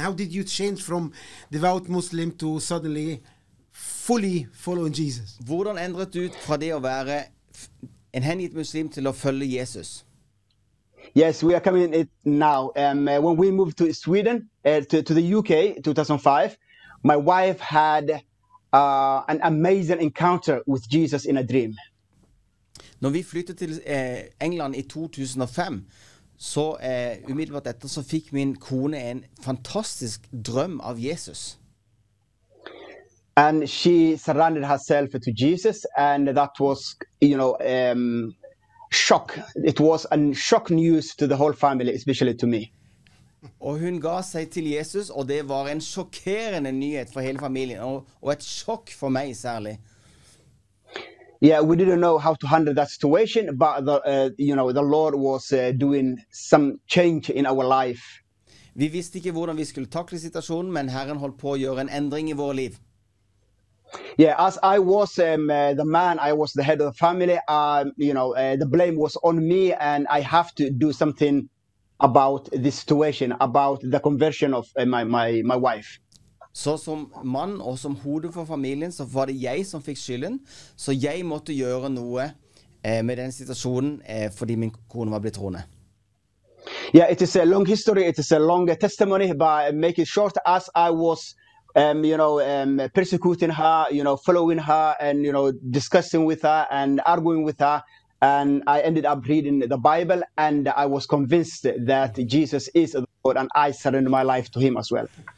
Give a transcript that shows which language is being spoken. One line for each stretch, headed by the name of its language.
English: How did you change from devout Muslim to suddenly fully following Jesus?
Norwegian: Hvordan endret du fra det å være en hengitt muslim til å følge Jesus?
English: Yes, we are coming it now. When we moved to Sweden, to the UK in 2005, my wife had an amazing encounter with Jesus in a dream.
Norwegian: Når vi flyttet til England i 2005, så umiddelbart etter så fikk min kone en fantastisk drøm av Jesus.
English: And she surrendered herself to Jesus, and that was, you know, shock. It was a shock news to the whole family, especially to me.
Norwegian: Og hun ga seg til Jesus, og det var en sjokkerende nyhet for hele familien, og et sjokk for meg særlig.
English: Yeah, we didn't know how to handle that situation, but the Lord was doing some change in our life.
Norwegian: Vi visste ikke hvordan vi skulle takle situasjonen, men Herren holdt på å gjøre en endring i vår liv.
English: Yeah, as I was the man, I was the head of the family, the blame was on me, and I have to do something about this situation, about the conversion of my wife.
Norwegian: Så som mann og som hode for familien, så var det jeg som fikk skylden, så jeg måtte gjøre noe med den situasjonen fordi min kone var blitt troende.
English: Yeah, it is a long history, it is a long testimony, but make it short, as I was persecuting her, following her, and discussing with her and arguing with her, and I ended up reading the Bible, and I was convinced that Jesus is the Lord, and I surrendered my life to him as well.